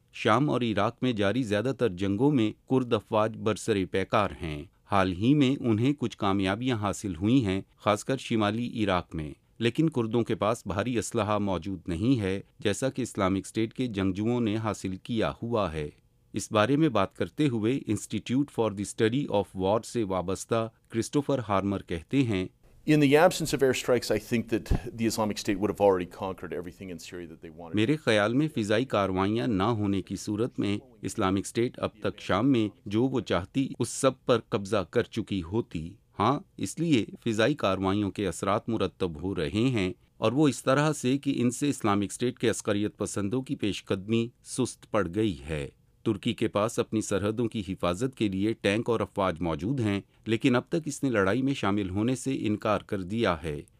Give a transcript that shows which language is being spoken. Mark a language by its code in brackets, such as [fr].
[ur] شام اور عراق میں جاری زیادہ تر جنگوں میں کرد افواج برسر پیکار ہیں۔ حال ہی میں انہیں کچھ کامیابیاں حاصل ہوئی ہیں، خاص کر شمالی عراق میں، لیکن کردوں کے پاس بھاری اسلحہ موجود نہیں ہے جیسا کہ اسلامک اسٹیٹ کے جنگجوؤں نے حاصل کیا ہوا ہے۔ اس بارے میں بات کرتے ہوئے institute for the study of war سے وابستہ کرسٹوفر ہارمر کہتے ہیں، [en] In the absence of airstrikes, I think that the Islamic State would have already conquered everything in Syria that they wanted. [ur] میرے خیال میں فضائی کارروائیاں نہ ہونے کی صورت میں اسلامک اسٹیٹ اب تک شام میں جو وہ چاہتی اس سب پر قبضہ کر چکی ہوتی۔ ہاں، اس لیے فضائی کارروائیوں کے اثرات مرتب ہو رہے ہیں اور وہ اس طرح سے کہ ان سے اسلامک اسٹیٹ کے عسکریت پسندوں کی پیش قدمی سست پڑ گئی ہے۔ ترکی کے پاس اپنی سرحدوں کی حفاظت کے لیے ٹینک اور افواج موجود ہیں، لیکن اب تک اس نے لڑائی میں شامل ہونے سے انکار کر دیا ہے۔